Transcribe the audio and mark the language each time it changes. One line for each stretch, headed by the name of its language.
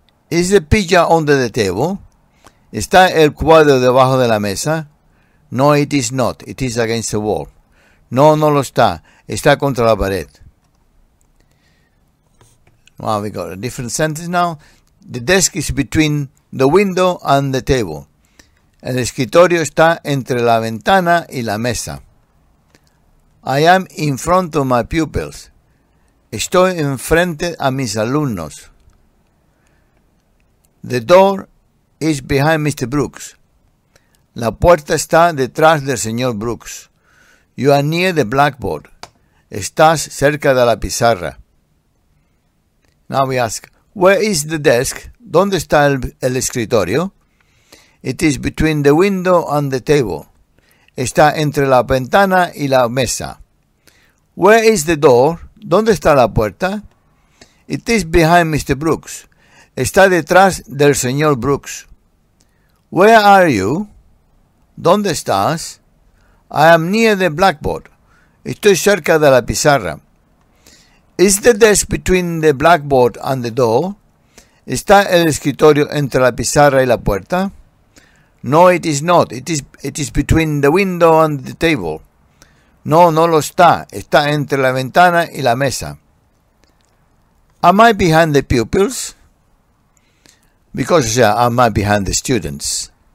English: Is the picture under the table?
Spanish: ¿Está el cuadro debajo de la mesa?
English: No, it is not. It is against the wall.
Spanish: No, no lo está. Está contra la pared.
English: Well, we got a different sentence now. The desk is between the window and the table.
Spanish: El escritorio está entre la ventana y la mesa.
English: I am in front of my pupils.
Spanish: Estoy enfrente a mis alumnos.
English: The door is behind Mr. Brooks.
Spanish: La puerta está detrás del señor Brooks.
English: You are near the blackboard.
Spanish: Estás cerca de la pizarra.
English: Now we ask, where is the desk?
Spanish: ¿Dónde está el escritorio?
English: It is between the window and the table.
Spanish: Está entre la ventana y la mesa.
English: Where is the door?
Spanish: ¿Dónde está la puerta?
English: It is behind Mr. Brooks.
Spanish: Está detrás del señor Brooks.
English: Where are you?
Spanish: ¿Dónde estás?
English: I am near the blackboard.
Spanish: Estoy cerca de la pizarra.
English: Is the desk between the blackboard and the door?
Spanish: ¿Está el escritorio entre la pizarra y la puerta?
English: No, it is not. It is between the window and the table.
Spanish: No, no lo está. Está entre la ventana y la mesa.
English: Am I behind the pupils? Because am I behind the students?